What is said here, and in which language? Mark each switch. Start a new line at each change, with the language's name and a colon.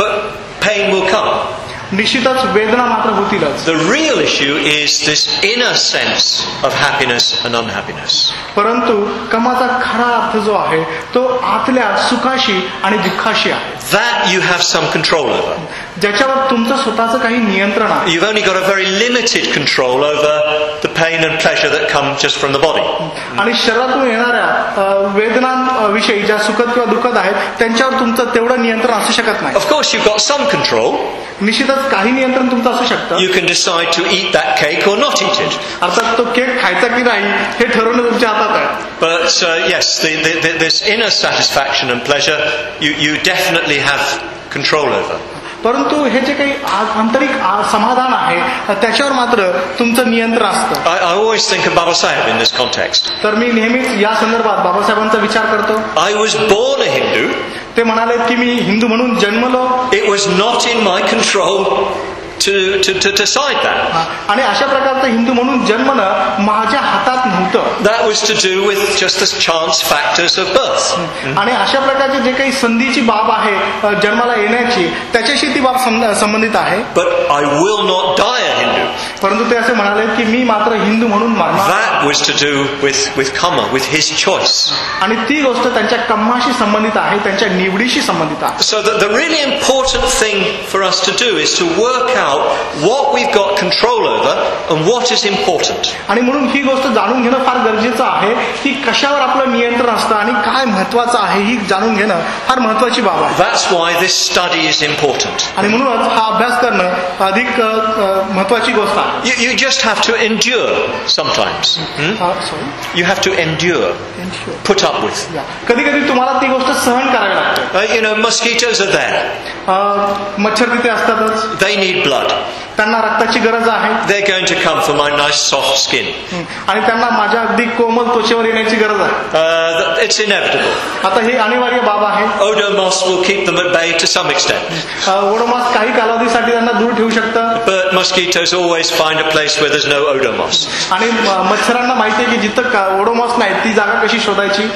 English: But pain will come.
Marathi: निश्चितच वेदना मात्र होतीलच.
English: The real issue is this inner sense of happiness and unhappiness.
Marathi: परंतु कामाचा खरा अर्थ जो आहे तो आतल्या सुखाशी आणि दुःखाशी आहे.
English: That you have some control over.
Marathi: ज्याच्यावर तुमचं स्वतःचं काही नियंत्रण आहे.
English: You've only got a very limited control over the pain and pleasure that come just from the body.
Marathi: आणि शरीरातून येणाऱ्या वेदनांविषयी ज्या सुखद किंवा दुःखद आहेत त्यांच्यावर तुमचं तेवढं नियंत्रण असू शकत नाही.
English: Of course you've got some control.
Marathi: निश्चितच काही नियंत्रण तुमचं असू शकतं.
English: You can decide to eat that cake or not eat it.
Marathi: अर्थात तो केक खायचा की नाही हे ठरवणं तुमच्या हातात आहे.
English: But yes, this inner satisfaction and pleasure you definitely have control over.
Marathi: परंतु हे जे काही आंतरिक समाधान आहे त्याच्यावर मात्र तुमचं नियंत्रण असतं.
English: I always think of Babasaheb in this context.
Marathi: तर मी नेहमीच या संदर्भात बाबासाहेबांचा विचार करतो.
English: I was born a Hindu.
Marathi: ते म्हणाले की मी हिंदू म्हणून जन्मलो.
English: It was not in my control to decide that.
Marathi: आणि अशा प्रकारचं हिंदू म्हणून जन्मणं माझ्या हातात नव्हतं.
English: That was to do with just the chance factors of birth.
Marathi: आणि अशा प्रकारचे जे काही संधीची बाब आहे जन्माला येण्याची त्याच्याशी ती बाब संबंधित आहे.
English: But I will not die a Hindu.
Marathi: परंतु ते असे म्हणाले की मी मात्र हिंदू म्हणून मरणार.
English: That was to do with karma, with his choice.
Marathi: आणि ती गोष्ट त्यांच्या कर्माशी संबंधित आहे, त्यांच्या निवडीशी संबंधित आहे.
English: So the really important thing for us to do is to work out what we've got control over and what is important.
Marathi: आणि म्हणून ही गोष्ट जाणून घेणं फार गरजेचं आहे की कशावर आपलं नियंत्रण असतं आणि काय महत्त्वाचं आहे ही जाणून घेणं फार महत्त्वाची बाब आहे.
English: That's why this study is important.
Marathi: आणि म्हणूनच हा अभ्यास करणं अधिक महत्त्वाची गोष्ट आहे.
English: You just have to endure sometimes. You have to endure. Put up with.
Marathi: कधी कधी तुम्हाला ती गोष्ट सहन करावी लागते.
English: You know, mosquitoes are there.
Marathi: मच्छर तिथे असतातच.
English: They need blood.
Marathi: त्यांना रक्ताची गरज आहे.
English: They're going to come for my nice soft skin.
Marathi: आणि त्यांना माझ्या अगदी कोमल त्वचेवर येण्याची गरज आहे.
English: It's inevitable.
Marathi: आता ही अनिवार्य बाब आहे.
English: Odomos will keep them at bay to some extent.
Marathi: Odomos काही कालावधीसाठी त्यांना दूर ठेवू शकतं.
English: But mosquitoes always find a place where there's no Odomos.
Marathi: आणि मच्छरांना माहिती आहे की जिथं Odomos नाही ती जागा कशी शोधायची.